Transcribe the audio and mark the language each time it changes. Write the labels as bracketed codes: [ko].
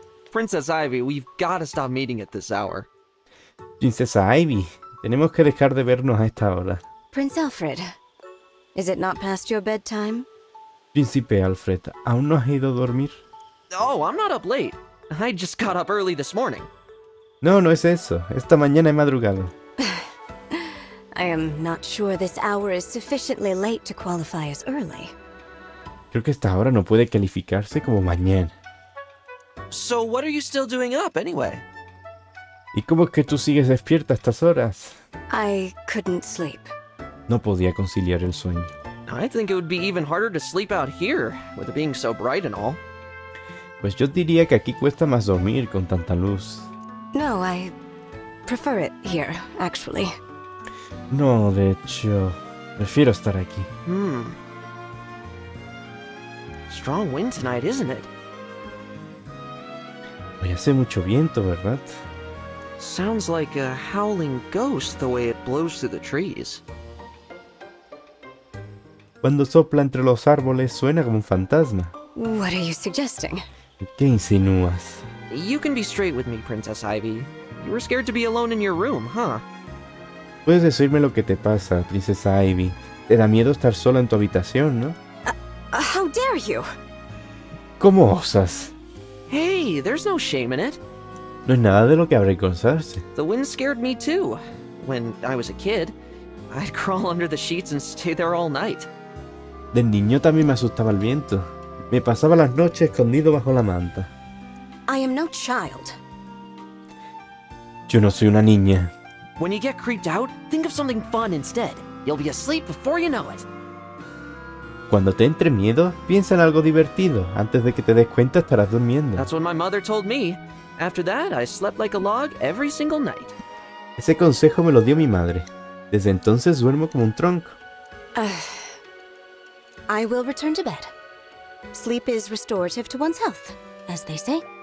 [en] Princess Ivy, we've got to stop meeting at this hour. [es] Princess Ivy, tenemos que dejar de vernos a esta hora. [en] Prince Alfred, is it not past your bedtime? [es] Príncipe Alfred, ¿aún no has ido a dormir? [en] Oh, I'm not up late. I just got up early this morning. [es] No, no es eso. Esta mañana he madrugado. [en] I am not sure this hour is sufficiently late to qualify as early. [es] Creo que esta hora no puede calificarse como mañana. [en] So what are you still doing up, anyway? [es] ¿Y cómo es que tú sigues despierta a estas horas? [en] I couldn't sleep. [es] No podía conciliar el sueño. [en] I think it would be even harder to sleep out here, with it being so bright and all. [es] Pues yo diría que aquí cuesta más dormir con tanta luz. [en] No, I prefer it here, actually. [es] No, de hecho, prefiero estar aquí. Hmm. [en] Strong wind tonight, isn't it? [es] Hoy hace mucho viento, ¿verdad? [en] Sounds like a howling ghost the way it blows through the trees. [es] Cuando sopla entre los árboles, suena como un fantasma. [en] What are you suggesting? [es] ¿Qué insinúas? [en] You can be straight with me, Princess Ivy. You were scared to be alone in your room, huh? [es] Puedes decirme lo que te pasa, Princesa Ivy. Te da miedo estar sola en tu habitación, ¿no? [en] How dare you? [es] ¿Cómo osas? [en] Hey, there's no shame in it. [es] No es nada de lo que avergonzarse. [en] The wind scared me too. When I was a kid, I'd crawl under the sheets and stay there all night. [es] De niño también me asustaba el viento. Me pasaba las noches escondido bajo la manta. [en] I am no child. [es] Yo no soy una niña. [en] When you get creeped out, think of something fun instead. You'll be asleep before you know it. [es] Cuando te entre miedo, piensa en algo divertido. Antes de que te des cuenta, estarás durmiendo. [en] That's what my mother told me. After that, I slept like a log every single night. [es] Ese consejo me lo dio mi madre. Desde entonces duermo como un tronco. [en] I will return to bed. Sleep is restorative to one's health, as they say.